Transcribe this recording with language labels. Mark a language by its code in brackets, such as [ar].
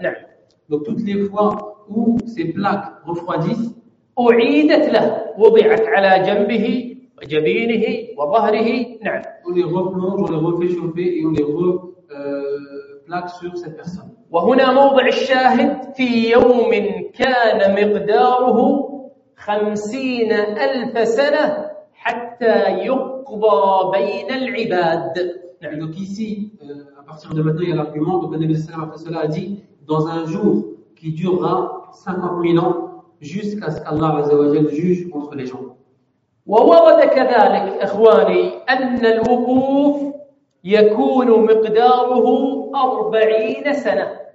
[ar] نعم. [fr] Donc toutes les fois où ces plaques refroidissent, [ar] أعيدت له, وضعت على جنبه وجبينه وظهره. نعم. [fr] On les replonge, on les refait chauffer et on les replaque sur cette personne. [ar] وهنا موضع الشاهد, في يوم كان مقداره 50,000 سنة حتى يقضى بين العباد. نعم. [fr] Donc ici, à partir de maintenant, il y a l'argument. Donc le Nabi sallallahu alayhi wa sallam a dit, dans un jour qui durera 50,000 ans, jusqu'à ce qu'Allah azza wa jalla juge contre les gens. [ar] وورد كذلك إخواني أن الوقوف يكون مقداره 40 سنة.